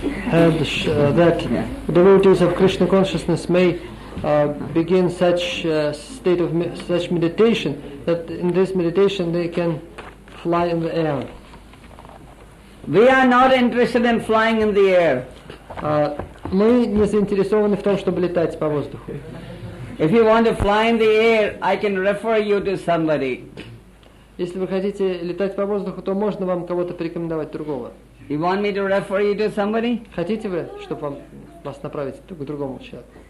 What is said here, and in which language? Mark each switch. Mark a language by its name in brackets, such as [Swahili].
[English] That devotees of Krishna consciousness may begin such state of such meditation that in this meditation they can fly in the air. We are not interested in flying in the air. [Russian] Мы не заинтересованы в том, чтобы летать по воздуху. [English] If you want to fly in the air, I can refer you to somebody. [Russian] Если вы хотите летать по воздуху, то можно вам кого-то порекомендовать другого. [English] You want me to refer you to somebody? [Russian] Хотите вы, чтобы вас направить к другому человеку?